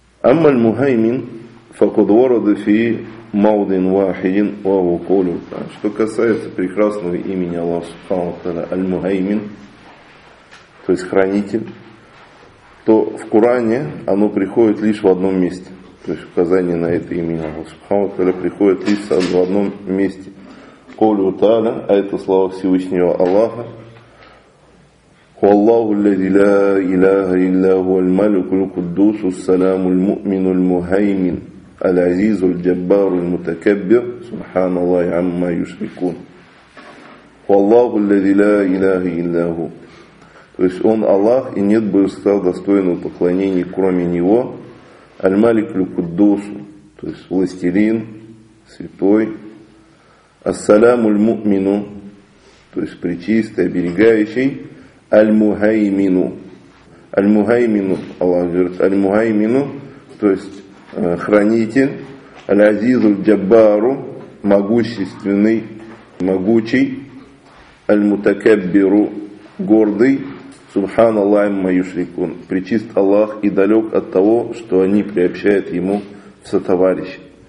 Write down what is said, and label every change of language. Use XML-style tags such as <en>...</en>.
<ar>أما المهيمن فقد ورد في موضع واحد وهو قوله</ar> <ru>что касается прекрасного имени Аллаха Субхана ва Тааля Аль-Мухаймин, то есть хранитель, то в Коране оно приходит лишь в одном месте. То есть указание на это имя Аллаха Субхана ва Тааля приходит лишь в одном месте.</ru> <ar>قوله تعالى,</ar> <ru>а это слова Всевышнего Аллаха.</ru> <ar>والله الذي لا إله إلا هو الملك القدوس السلام المؤمن المهيمن العزيز الجبار المتكبر سبحان الله عما يشركون والله الذي لا إله إلا هو.</ar> <ru>То есть он Аллах и нет божества достойного поклонения кроме него. Аль-Малик аль-Куддус, то есть властелин святой. Ас-саляму аль-муъмину, то есть пречистый, оберегающий. Аль-Мухаймину. Аль-Мухаймину, Аллах говорит, Аль-Мухаймину, то есть хранитель, Аль-Азизу Джаббару, могущественный, могучий, Аль-Мутакаббиру, гордый, Субхан Аллах Майюшрикун, причист Аллах и далек от того, что они приобщают ему в сотоварищ.</ru>